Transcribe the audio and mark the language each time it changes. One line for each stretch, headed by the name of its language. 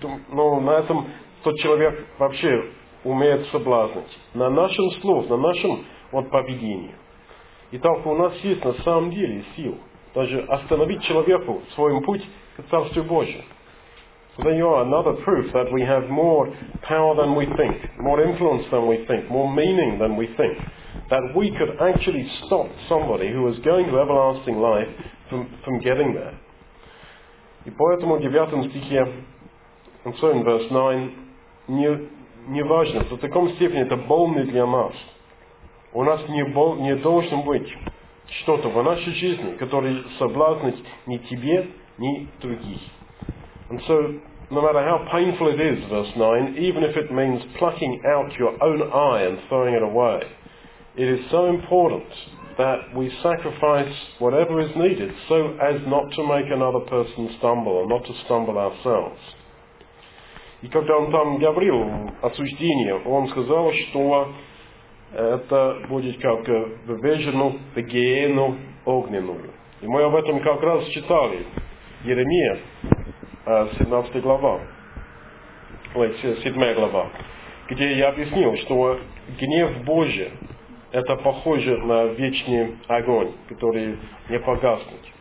Russian: Но на этом тот человек вообще умеет соблазнить. На нашем слове, на нашем вот поведении. Итак, у нас есть на самом деле сил даже остановить человеку свой путь к Царствию Божию.
English: So then you are another proof that we have more power than we think, more influence than we think, more meaning than we think. That we could actually stop somebody who was going to everlasting life from getting there.
Russian: И поэтому в 9 стихе,
English: and so in verse 9,
Russian: не важно, что в таком степени это больно для нас. У нас не должно быть что-то в нашей жизни, которое соблазнит ни тебе, ни других.
English: And so, no matter how painful it is, verse 9, even if it means plucking out your own eye and throwing it away, it is so important that we sacrifice whatever is needed so as not to make another person stumble, or not to stumble ourselves.
Russian: И когда он там говорил осуждение, он сказал, что это будет как вывежено в гиену огненную. И мы об этом как раз читали, Иеремия, 17 глава, 7 глава, где я объяснил, что гнев Божий это похоже на вечный огонь, который не погаснет.